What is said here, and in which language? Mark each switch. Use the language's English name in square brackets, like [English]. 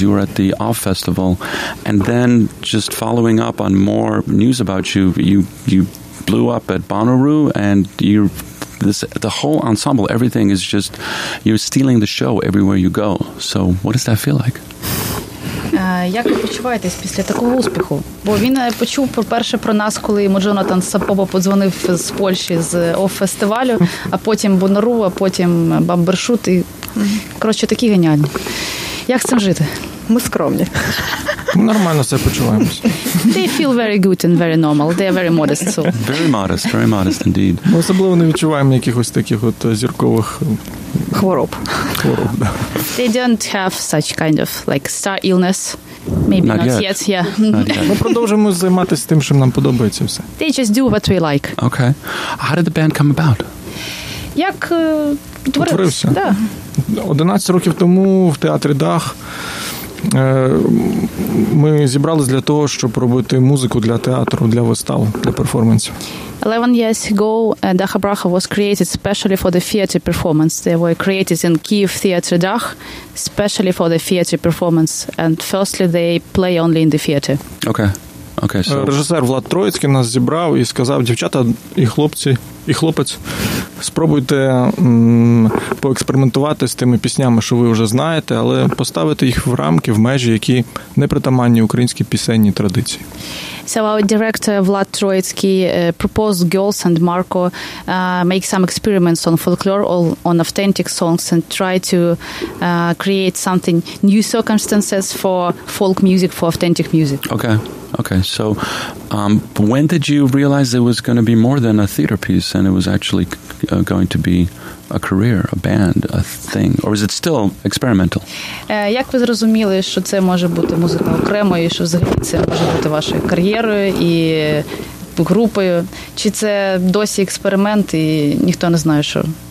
[English] You were at the Off Festival, and then just following up on more news about you, you blew up at Bonnaroo, and you're... the whole ensemble, everything is just, you're stealing the show everywhere you go. So what does that feel like? [Ukrainian] Як ви почуваєтесь після такого успіху? Бо він почув перше про нас, коли йому Джонатан Сапова подзвонив з Польщі, з оф-фестивалю, а потім Бонару, а потім Бамбершут. І, коротше, такі геніальні. Як з цим жити? Ми скромні. Нормально себе почуваємося. [English] They feel very good and very normal. They are very modest. So. Very modest indeed. [Ukrainian] Ми особливо не відчуваємо якихось таких от зіркових... Хвороб. Хвороб, да. [English] They don't have such kind of like star illness. Maybe not, not yet. Yeah. [Ukrainian] Ми продовжуємо займатися тим, що нам подобається все. [English] They just do what we like. Okay. How did the band come about? [Ukrainian] Як утворився? Да. 11 років тому в театрі «Дах» ми зібрались для того, щоб робити музику для театру, для вистав, для перформансів. [English] 11 years ago, Dacha Bracha was created specially for the theater performance. They were created in Kyiv Theater Dach, specially for the theater performance. And firstly, they play only in the theater. Okay. Okay, so. [Ukrainian] Режисер Влад Троїцький нас зібрав і сказав, дівчата і хлопці, і хлопець, спробуйте поекспериментувати з тими піснями, що ви вже знаєте, але поставити їх в рамки, в межі, які не притаманні українській пісенній традиції. [English] So our director Влад Троїцький proposed girls and Marco make some experiments on folklore, on authentic songs and try to create something, new circumstances for folk music, for authentic music. Okay. Okay, so when did you realize it was going to be more than a theater piece and it was actually going to be a career, a band, a thing? Or is it still experimental? [Ukrainian] Як ви зрозуміли, що це може бути музика окремо і що взагалі це може бути вашою кар'єрою і групою? Чи це досі експеримент і ніхто не знає, що...